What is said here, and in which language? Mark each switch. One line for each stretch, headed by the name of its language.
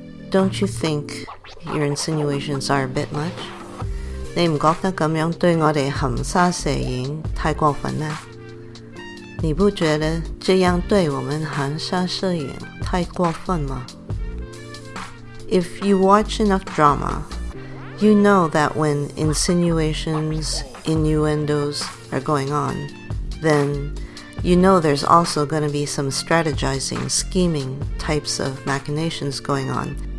English: Don't you think your insinuations are a bit much?
Chinese: 你不觉得这样对我们含沙射影太过分吗? 你不觉得这样对我们含沙射影太过分吗?
English: If you watch enough drama, you know that when insinuations, innuendos are going on, then you know there's also going to be some strategizing, scheming types of machinations going on.